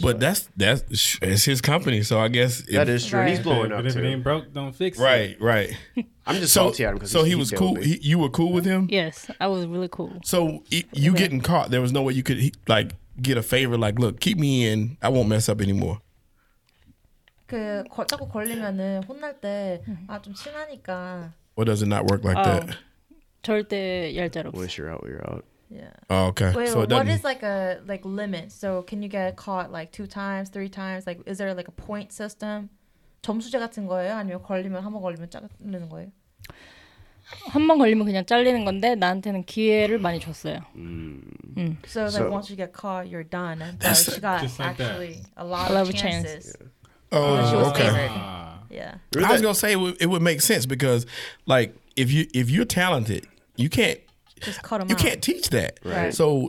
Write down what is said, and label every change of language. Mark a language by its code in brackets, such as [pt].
[en] But that's his company, so I guess... That is true, right. He's blowing up, too. If it ain't broke, don't fix it. Right, right. I'm just salty at him. So he was cool? You were cool with him? Yes, I was really cool. So you getting caught, there was no way you could, like, get a favor, like, look, keep me in, I won't mess up anymore. [ko] 자꾸 걸리면은 혼날 때, 아, 좀 친하니까... [en] Or does it not work like that? [ko] 절대 열자로 없어. [en] Once you're out, you're out. Yeah. Oh, okay. Wait, so what is like a like limit? So can you get caught like two times, three times? Like, is there like a point system? [ko] 점수제 같은 거예요? 아니면 걸리면 한번 걸리면 잘리는 거예요? 한번 걸리면 그냥 잘리는 건데 나한테는 기회를 많이 줬어요. [en] So like once you get caught, you're done. And she got actually a lot of chances. Okay. Yeah. I was gonna say it would make sense because like if you're talented, you can't. Just cut them you out. Can't teach that. Right. So